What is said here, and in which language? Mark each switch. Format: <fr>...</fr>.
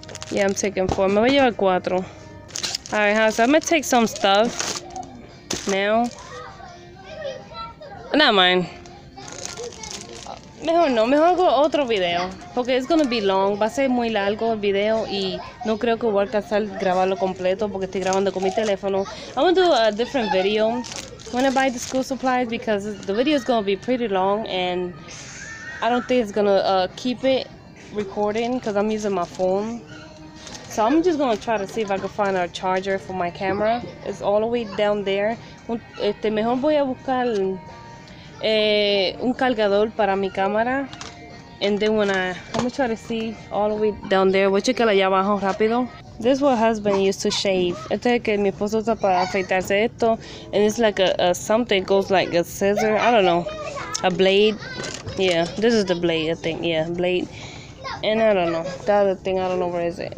<en>Yeah, I'm taking four.</en> <es>Me voy a llevar cuatro.</es> <en>Alright, so I'm gonna take some stuff now. Not mine.</en> <es>Mejor no, mejor hago otro video. Porque</es> <en>it's gonna be long.</en> <es>Va a ser muy largo el video y no creo que voy a alcanzar grabarlo completo porque estoy grabando con mi teléfono.</es> <en>I'm gonna do a different video when I buy the school supplies because the video is gonna be pretty long and I don't think it's gonna keep it recording because I'm using my phone. So I'm just gonna try to see if I can find a charger for my camera. It's all the way down there.</en> <es>Mejor voy a buscar un cargador para mi cámara.</es> <en>And then when I'm gonna try to see all the way down there.</en> <es>Voy a checar allá abajo rápido.</es> <en>This is what husband used to shave.</en> <es>Este es que mi esposo usa para afeitarse esto.</es> <en>And it's like a something goes like a scissor. I don't know. A blade. Yeah, this is the blade, I think. Yeah, blade. And I don't know. The other thing, I don't know where is it.</en>